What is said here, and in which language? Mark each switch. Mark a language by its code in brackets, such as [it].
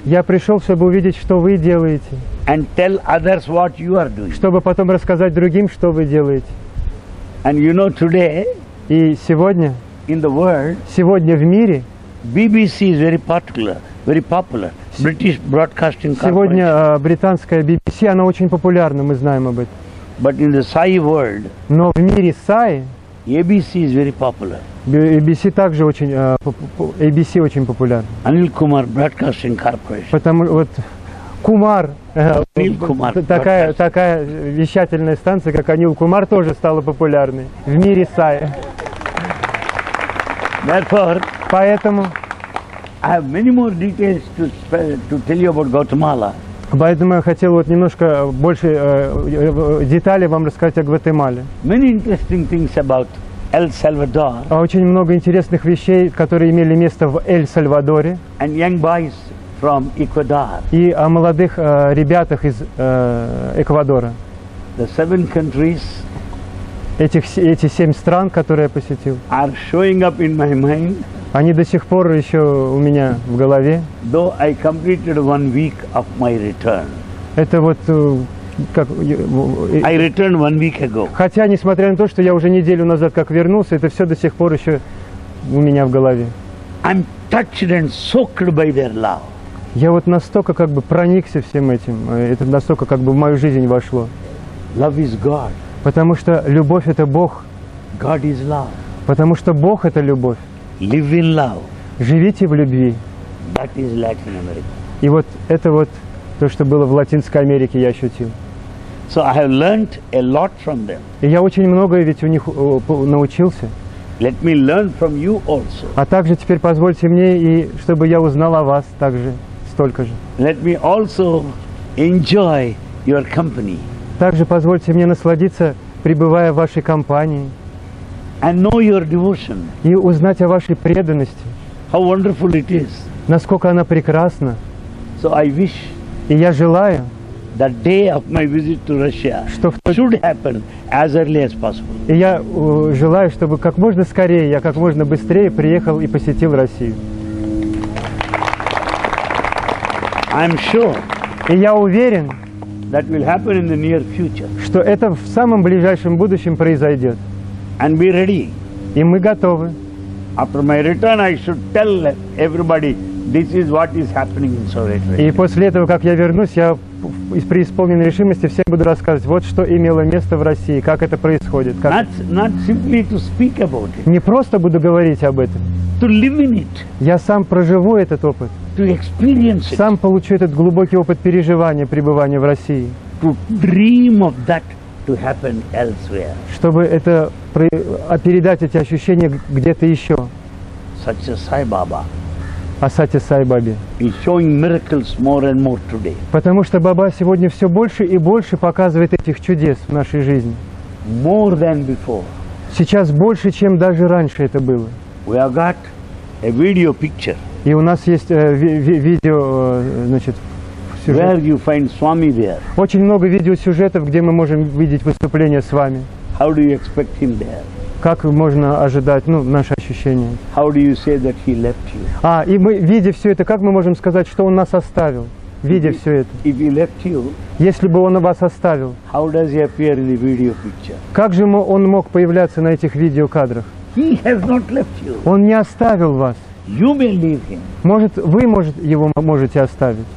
[ru] Я пришел, чтобы увидеть, что вы делаете. [en] And tell others what you are doing. [ru] Чтобы потом рассказать другим, что вы делаете. [en] And you know today. [ru] И сегодня. [en] In the world. [ru] Сегодня в мире. [en] BBC is very popular, British Broadcasting Company. [ru] Сегодня британская BBC, она очень популярна, мы знаем об этом. [en] But in the Sai world. [ru] Но в мире Sai. [en] ABC is very popular. [ru] ABC также очень ABC очень популярен. [en] Anil Kumar Broadcasting Corporation. [ru] Потому вот Кумар. [en] Anil Kumar. [ru] Такая вещательная станция, как Anil Kumar, тоже стала популярной в мире Sai. [en] Therefore. [ru] Поэтому. [en] I have many more details to tell you about Guatemala. [ru] Поэтому я хотел вот немножко больше деталей вам рассказать о Гватемале. [en] Many interesting things about El Salvador. [ru] Очень много интересных вещей, которые имели место в Эль-Сальвадоре. [en] And young boys from Ecuador. [ru] И о молодых ребятах из Эквадора. [en] The seven countries. [ru] Эти семь стран, которые я посетил. [en] Are showing up in my mind. [ru] Они до сих пор еще у меня в голове. [en] Though I completed 1 week of my return. [ru] Это вот как. [en] I returned 1 week ago. [ru] Хотя, несмотря на то, что я уже неделю назад как вернулся, это все до сих пор еще у меня в голове. [en] I'm touched and soaked by their love. [ru] Я вот настолько как бы проникся всем этим. Это настолько как бы в мою жизнь вошло. [en] Love is God. [ru] Потому что любовь это Бог. [en] God is love. [ru] Потому что Бог это любовь. [en] Live in love. [ru] Живите в любви. [en] That is Latin America. [ru] И вот это вот то, что было в Латинской Америке, я ощутил. [en] So I have learned a lot from them. [ru] И я очень многое ведь у них научился. [en] Let me learn from you also. [ru] А также теперь позвольте мне и чтобы я узнал о вас также столько же. [en] Let me also enjoy your company. [ru] Также позвольте мне насладиться, пребывая в вашей компании. [en] And know your devotion. [ru] И узнать о вашей преданности. [en] How wonderful it is. [ru] Насколько она прекрасна. [en] So I wish. [ru] И я желаю. [en] The day of my visit to Russia. [ru] Что [en] should happen as early as possible. [ru] И я желаю, чтобы как можно скорее, я как можно быстрее приехал и посетил Россию. [en] I'm sure. [ru] И я уверен. [en] That will happen in the near future. [ru] Что это в самом ближайшем будущем произойдет. [en] And be ready. [ru] И мы готовы. [en] After my return, I should tell everybody this is what is happening in Soviet Russia. [ru] И после этого, как я вернусь, я из преисполненной решимости всем буду рассказывать, вот что имело место в России, как это происходит. Как... [en] Not simply to speak about it. [ru] Не просто буду говорить об этом. [en] To live in it. [ru] Я сам проживу этот опыт. [en] To experience it. [ru] Сам получу этот глубокий опыт переживания пребывания в России. [en] To dream of that. To happen elsewhere. [ru] Чтобы это передать эти ощущения где-то еще. Сатья Сай Баба. О Сатья Сай Бабе. [en] He's showing miracles more and more today. [ru] Потому что Баба сегодня все больше и больше показывает этих чудес в нашей жизни. [en] More than before. [ru] Сейчас больше, чем даже раньше это было. [en] We have got a video picture. [ru] И у нас есть видео, значит. Сюжет. [en] Where you find Swami there? [ru] Очень много видеосюжетов, где мы можем видеть выступление Свами. [en] How do you expect him there? [ru] Как можно ожидать, ну, наши ощущения? [en] How do you say that he left you? [ru] А, и мы, видя все это, как мы можем сказать, что он нас оставил, видя [en] if [ru] все это? [en] If he left you, [ru] если бы он вас оставил, [en] how does he appear in the video picture? [ru] Как же он мог появляться на этих видеокадрах? [en] He has not left you. [ru] Он не оставил вас. [en] You may leave him. [ru] Может, вы может, его можете оставить.